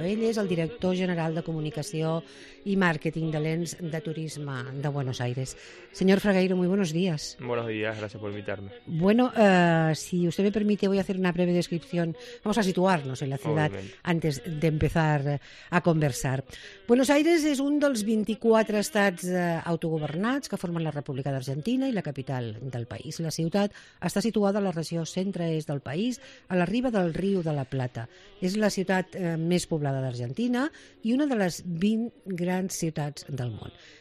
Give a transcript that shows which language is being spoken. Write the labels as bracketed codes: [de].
[ca] Ell és el director general de comunicació i màrqueting de l'ENS de turisme de Buenos Aires. [es] Senyor Fragueiro, muy buenos días. Buenos días, gracias por invitarme. Bueno, si usted me permite, voy a hacer una breve descripción. Vamos a situarnos en la ciudad Obviamente. Antes de empezar a conversar. [ca] Buenos Aires és un dels 24 estats autogovernats que formen la República d'Argentina i la capital del país. La ciutat està situada a la regió centre-est del país, a la riba del riu de la Plata. És la ciutat més poblada d'Argentina i una de les 20 grans ciutats del món.